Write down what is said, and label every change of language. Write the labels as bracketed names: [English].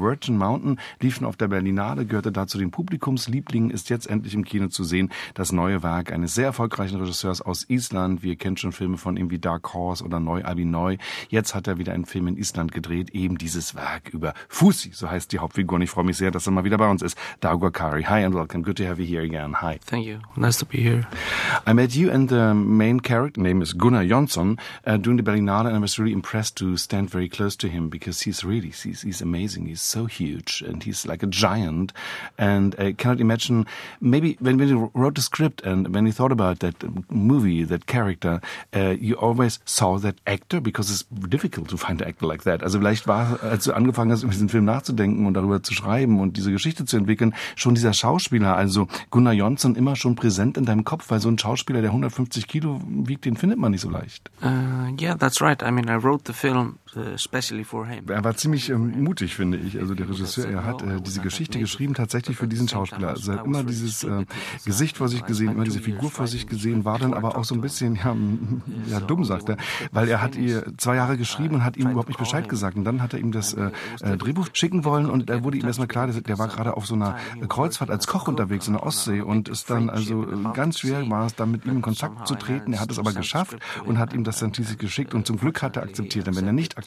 [German] Virgin Mountain lief auf der Berlinale, gehörte dazu den Publikumslieblingen, ist jetzt endlich im Kino zu sehen. Das neue Werk eines sehr erfolgreichen Regisseurs aus Island. Wir kennen schon Filme von ihm wie Dark Horse oder Neu Abi Neu. Jetzt hat er wieder einen Film in Island gedreht, eben dieses Werk über Fusi, so heißt die Hauptfigur. Und ich freue mich sehr, dass er mal wieder bei uns ist. [English] Dagur Kari. Hi and welcome. Good to have you here again. Hi. Thank you. Nice to be here. I met you and the main character, name is Gunnar Jonsson, during the Berlinale, and I was really impressed to stand very close to him because he's amazing. He's so huge and he's like a giant. And I cannot imagine, maybe when you wrote the script and when you thought about that movie, that character, you always saw that actor, because it's difficult to find an actor like that. [German] Also vielleicht war, als du angefangen hast, über diesen Film nachzudenken und darüber zu schreiben und diese Geschichte zu entwickeln, schon dieser Schauspieler, also Gunnar Jonsson, immer schon präsent in deinem Kopf, weil so ein Schauspieler, der 150 Kilo wiegt, den findet man nicht so leicht. [English] Yeah, that's right. I mean, I wrote the film especially for him. [German] Er war ziemlich mutig, finde ich. Also der Regisseur, er hat diese Geschichte geschrieben tatsächlich für diesen Schauspieler. Also er hat immer dieses Gesicht vor sich gesehen, immer diese Figur vor sich gesehen, war dann aber auch so ein bisschen ja dumm, sagt er, weil er hat ihr 2 Jahre geschrieben und hat ihm überhaupt nicht Bescheid gesagt. Und dann hat er ihm das Drehbuch schicken wollen und da wurde ihm erstmal klar, der war gerade auf so einer Kreuzfahrt als Koch unterwegs in der Ostsee und ist dann also ganz schwer war es, dann mit ihm in Kontakt zu treten. Er hat es aber geschafft und hat ihm das dann schließlich geschickt und zum Glück hat er akzeptiert. Denn wenn er nicht akzeptiert